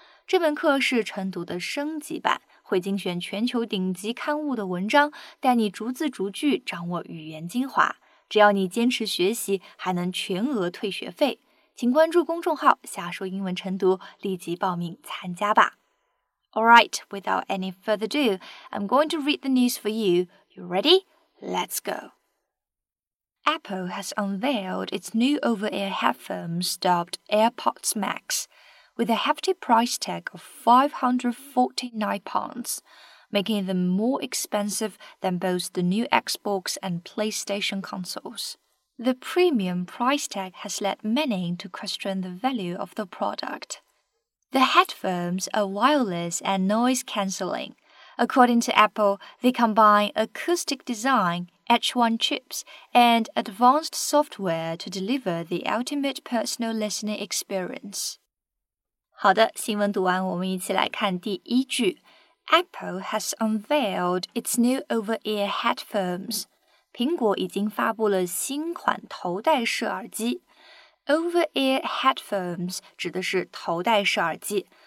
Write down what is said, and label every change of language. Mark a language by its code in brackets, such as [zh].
[zh] 这门课是晨读的升级版，会精选全球顶级刊物的文章，带你逐字逐句掌握语言精华。只要你坚持学习，还能全额退学费。请关注公众号“瞎说英文晨读”，立即报名参加吧。 [en] All right, without any further ado, I'm going to read the news for you. You ready? Let's go. Apple has unveiled its new over-ear headphones dubbed AirPods Max, with a hefty price tag of £549, making them more expensive than both the new Xbox and PlayStation consoles. The premium price tag has led many to question the value of the product. The headphones are wireless and noise-cancelling,According to Apple, they combine acoustic design, H1 chips, and advanced software to deliver the ultimate personal listening experience. [zh] 好的，新闻读完，我们一起来看第一句。 [en] Apple has unveiled its new over-ear headphones. [zh] 苹果已经发布了新款头戴式耳机。 Over-ear headphones 指的是头戴式耳机。